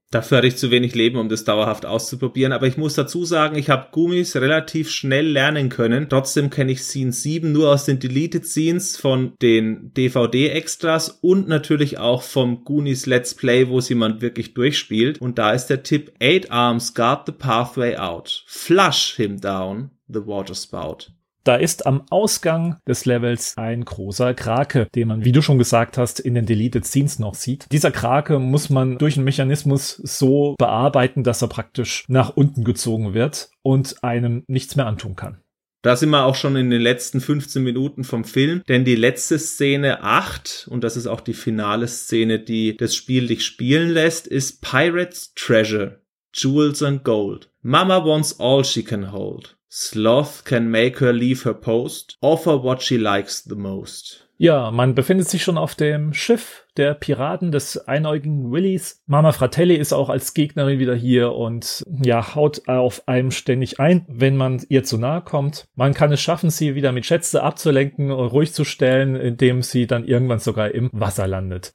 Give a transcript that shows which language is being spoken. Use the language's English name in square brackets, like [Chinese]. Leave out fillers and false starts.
[German] Dafür hatte ich zu wenig Leben, um das dauerhaft auszuprobieren. Aber ich muss dazu sagen, ich habe Goonies relativ schnell lernen können. Trotzdem kenne ich Scene 7 nur aus den Deleted Scenes von den DVD-Extras und natürlich auch vom Goonies Let's Play, wo es jemand wirklich durchspielt. Und da ist der Tipp, [English] 8 arms guard the pathway out. Flush him down the waterspout. [German] Da ist am Ausgang des Levels ein großer Krake, den man, wie du schon gesagt hast, in den Deleted Scenes noch sieht. Dieser Krake muss man durch einen Mechanismus so bearbeiten, dass er praktisch nach unten gezogen wird und einem nichts mehr antun kann. Da sind wir auch schon in den letzten 15 Minuten vom Film, denn die letzte Szene 8, und das ist auch die finale Szene, die das Spiel dich spielen lässt, ist Pirate's Treasure, Jewels and Gold. [English] Mama wants all she can hold. Sloth can make her leave her post, offer what she likes the most. [German] Ja, man befindet sich schon auf dem Schiff der Piraten des einäugigen Willys. Mama Fratelli ist auch als Gegnerin wieder hier und ja, haut auf einem ständig ein, wenn man ihr zu nahe kommt. Man kann es schaffen, sie wieder mit Schätze abzulenken und ruhig zu stellen, indem sie dann irgendwann sogar im Wasser landet.